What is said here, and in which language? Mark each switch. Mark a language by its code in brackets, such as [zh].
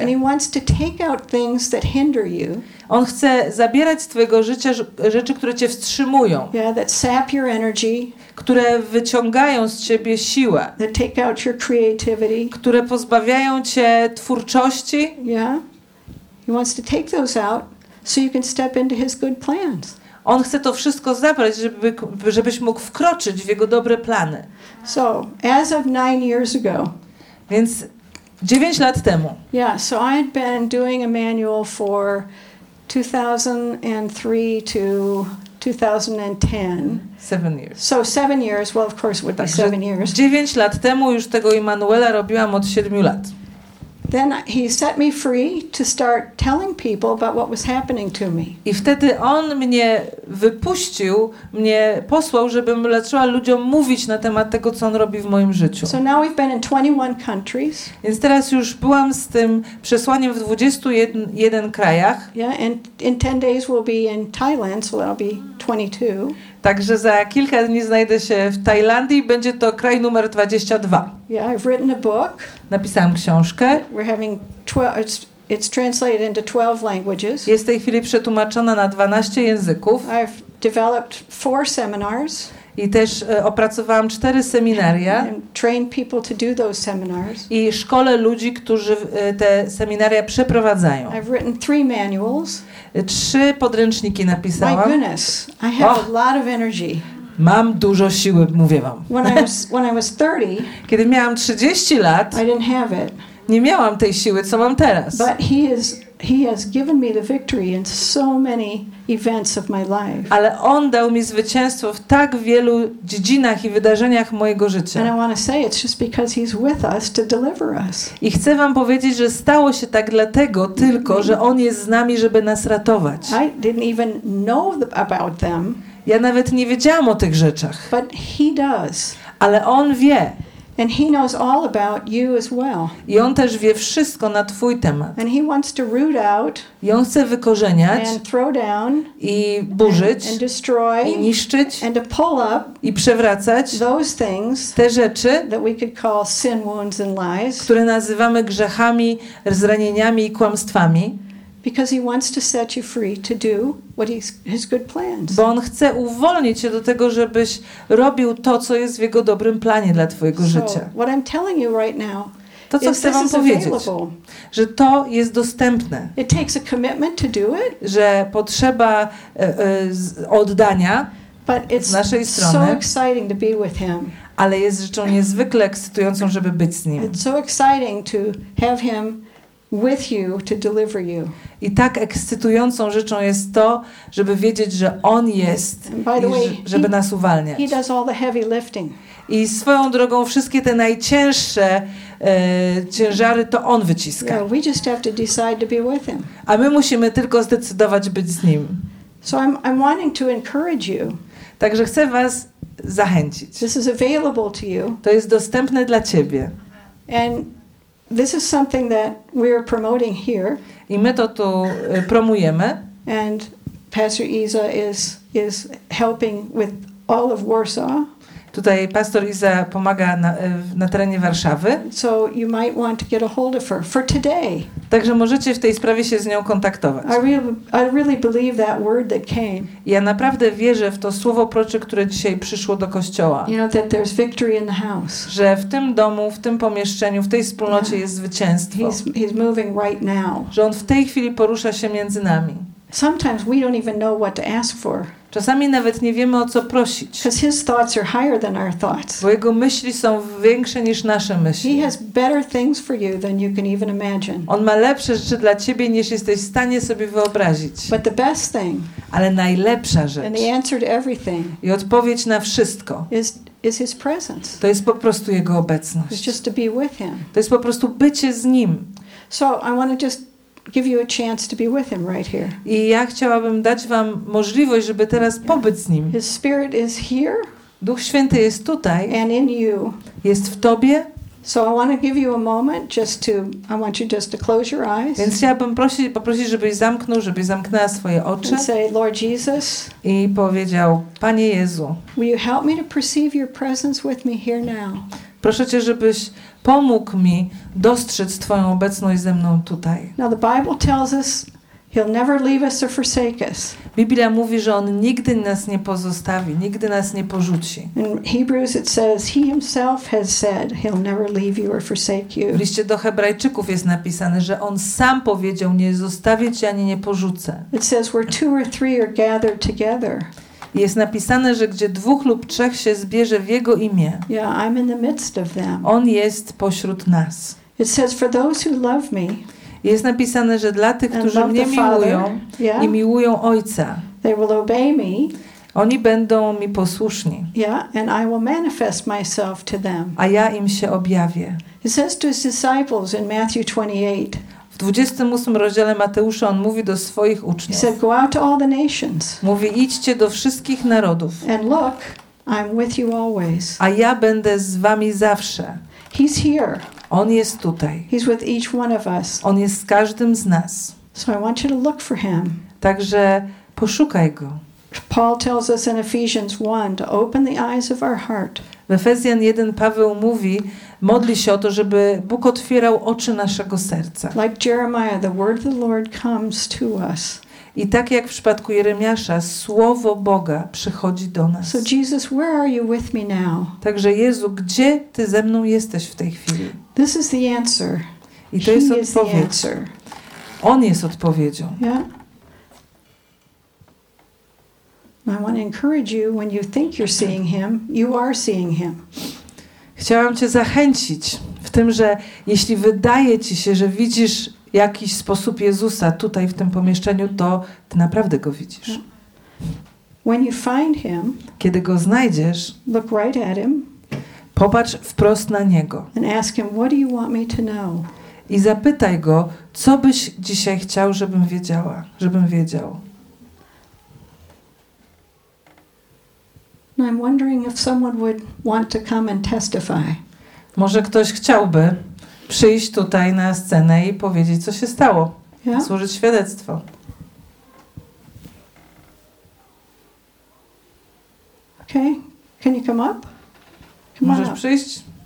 [en] And he wants to take out things that hinder you. [pl] On chce zabierać z twojego życia rzeczy, które cię wstrzymują. [en] Yeah, that sap your energy. [pl] Które wyciągają z ciebie siłę. [en] That take out your creativity. [pl] Które pozbawiają cię twórczości. Yeah. [en] He wants to take those out so you can step into his good plans. [pl] On chce to wszystko zabrać, żebyś mógł wkroczyć w jego dobre plany. [en] So, as of 9 years ago. [pl] Więc 9 lat temu. [en] Yeah, so I had been doing a manual for 2003 to 2010. 7 years. So 7 years, well of course it would be 7 years. [pl] 9 lat temu już tego Emanuela robiłam od 7 lat. [en] Then he set me free to start telling people about what was happening to me. [pl] I wtedy on mnie wypuścił, mnie posłał, żebym zaczęła ludziom mówić na temat tego, co on robi w moim życiu. [en] So now we've been in 21 countries. [pl] Więc teraz już byłam z tym przesłaniem w 21 krajach. [en] Yeah, and in 10 days we'll be in Thailand, so that'll be 22. [pl] Także za kilka dni znajdę się w Tajlandii, będzie to kraj numer 22. [en] Yeah, I've written a book. [pl] Napisałam książkę. [en] We're having 12, it's translated into 12 languages. [pl] Jest w tej chwili przetłumaczona na 12 języków. [en] I've developed 4 seminars. [pl] I też opracowałam 4 seminaria. [en] And train people to do those seminars. [pl] I szkolę ludzi, którzy te seminaria przeprowadzają. [en] I've written 3 manuals. [pl] 3 podręczniki napisałam. [en] My goodness, I have a lot of energy. [pl] Mam dużo siły, mówię wam. [en] When I was 30, [pl] kiedy miałam 30 lat, [en] I didn't have it. [pl] Nie miałam tej siły, co mam teraz. [en] But he has given me the victory in so many events of my life. [pl] Ale on dał mi zwycięstwo w tak wielu dziedzinach i wydarzeniach mojego życia. [en] And I want to say it's just because he's with us to deliver us. [pl] I chcę wam powiedzieć, że stało się tak dlatego tylko, że on jest z nami, żeby nas ratować. [en] I didn't even know about them. [pl] Ja nawet nie wiedziałam o tych rzeczach. [en] But he does. [pl] Ale on wie. [en] And he knows all about you as well. [pl] I on też wie wszystko na twój temat. [en] And he wants to root out. [pl] I on chce wykorzeniać. [en] And throw down. [pl] I burzyć. [en] And destroy. [pl] I niszczyć. [en] And to pull up. [pl] I przewracać. [en] Those things. [pl] Te rzeczy. [en] That we could call sin, wounds and lies. [pl] Które nazywamy grzechami, zranieniami i kłamstwami. [en] Because he wants to set you free to do what his good plans. [pl] Bo on chce uwolnić cię do tego, żebyś robił to, co jest w jego dobrym planie dla twojego życia. [en] So, what I'm telling you right now, [pl] to co chcę wam powiedzieć, że to jest dostępne. [en] It takes a commitment to do it. [pl] Że potrzeba oddania z naszej strony. [en] But it's so exciting to be with him. [pl] Ale jest rzeczą niezwykle ekscytującą, żeby być z nim. [en] It's so exciting to have him with you to deliver you. [pl] I tak ekscytującą rzeczą jest to, żeby wiedzieć, że on jest, i żeby nas uwalniać. [en] He does all the heavy lifting. [pl] I swoją drogą wszystkie te najcięższe ciężary to on wyciska. [en] Yeah, we just have to decide to be with him. [pl] A my musimy tylko zdecydować być z nim. [en] So I'm wanting to encourage you. [pl] Także chcę was zachęcić. [en] This is available to you. [pl] To jest dostępne dla ciebie. [en] And this is something that we're promoting here. [pl] I my to tu promujemy. [en] And Pastor Iza is helping with all of Warsaw. [pl] Tutaj Pastor Iza pomaga na terenie Warszawy. [en] So you might want to get a hold of her for today. [pl] Także możecie w tej sprawie się z nią kontaktować. [en] I really believe that word that came. [pl] Ja naprawdę wierzę w to słowo proroczy, które dzisiaj przyszło do kościoła. [en] You know, that there's victory in the house. [pl] Że w tym domu, w tym pomieszczeniu, w tej wspólnocie jest zwycięstwo. [en] He's moving right now. [pl] Że on w tej chwili porusza się między nami. [en] Sometimes we don't even know what to ask for. [pl] Czasami nawet nie wiemy, o co prosić. [en] Because his thoughts are higher than our thoughts. [pl] Bo jego myśli są większe niż nasze myśli. [en] He has better things for you than you can even imagine. [pl] On ma lepsze rzeczy dla ciebie, niż jesteś w stanie sobie wyobrazić. [en] But the best thing, [pl] ale najlepsza rzecz, [en] and the answer to everything, [pl] i odpowiedź na wszystko, [en] is his presence. [pl] To jest po prostu jego obecność. [en] It's just to be with him. [pl] To jest po prostu bycie z nim. [en] So I want to just give you a chance to be with him right here. [pl] I ja chciałabym dać wam możliwość, żeby teraz pobyć z nim. [en] His spirit is here. [pl] Duch Święty jest tutaj. [en] And in you. [pl] Jest w tobie. [en] So I want to give you a moment I want you to close your eyes. [pl] Więc chciałabym poprosić, żebyś zamknął, żebyś zamknęła swoje oczy. [en] And say, Lord Jesus. [pl] I powiedział, Panie Jezu. [en] Will you help me to perceive your presence with me here now? [pl] Proszę cię, żebyś pomógł mi dostrzec twoją obecność ze mną tutaj. [en] Now the Bible tells us he'll never leave us or forsake us. [pl] Biblia mówi, że on nigdy nas nie pozostawi, nigdy nas nie porzuci. [en] In Hebrews it says he himself has said he'll never leave you or forsake you. [pl] W liście do Hebrajczyków jest napisane, że on sam powiedział, nie zostawię cię ani nie porzucę. [en] It says where two or three are gathered together. [pl] Jest napisane, że gdzie dwóch lub trzech się zbierze w jego imię. [en] Yeah, I'm in the midst of them. [pl] On jest pośród nas. [en] It says for those who love me. [pl] Jest napisane, że dla tych, którzy mnie miłują, yeah, i miłują Ojca. [en] They will obey me. [pl] Oni będą mi posłuszni. [en] Yeah, and I will manifest myself to them. [pl] A ja im się objawię. [en] He says to his disciples in Matthew 28. [pl] W 28 rozdziale Mateusza on mówi do swoich uczniów. [en] He said, go out to all the nations. [pl] Mówi, idźcie do wszystkich narodów. [en] And look, I'm with you always. [pl] A ja będę z wami zawsze. [en] He's here. [pl] On jest tutaj. [en] He's with each one of us. [pl] On jest z każdym z nas. [en] So I want you to look for him. [pl] Także poszukaj go. [en] Paul tells us in Ephesians 1 to open the eyes of our heart. [pl] W Efezjan 1 Paweł mówi, modli się o to, żeby Bóg otwierał oczy naszego serca. [en] Like Jeremiah, the word of the Lord comes to us. [pl] I tak jak w przypadku Jeremiasza, słowo Boga przychodzi do nas. [en] So Jesus, where are you with me now? [pl] Także Jezu, gdzie ty ze mną jesteś w tej chwili? [en] This is the answer. [pl] I to jest odpowiedź. On jest odpowiedzią. Yeah? [en] I want to encourage you when you think you're seeing him, you are seeing him. [pl] Chciałam cię zachęcić w tym, że jeśli wydaje ci się, że widzisz jakiś sposób Jezusa tutaj w tym pomieszczeniu, to ty naprawdę go widzisz. [en] When you find him, [pl] kiedy go znajdziesz, [en] look right at him, [pl] popatrz wprost na niego. [en] And ask him, what do you want me to know? [pl] I zapytaj go, co byś dzisiaj chciał, żebym wiedziała, żebym wiedział. [en] I'm wondering if someone would want to come and testify. [pl] Może ktoś chciałby przyjść tutaj na scenę i powiedzieć, co się stało, yeah? Złożyć świadectwo. [en] Okay, can you come up? Come [pl] Możesz [en] up. [pl] Przyjść?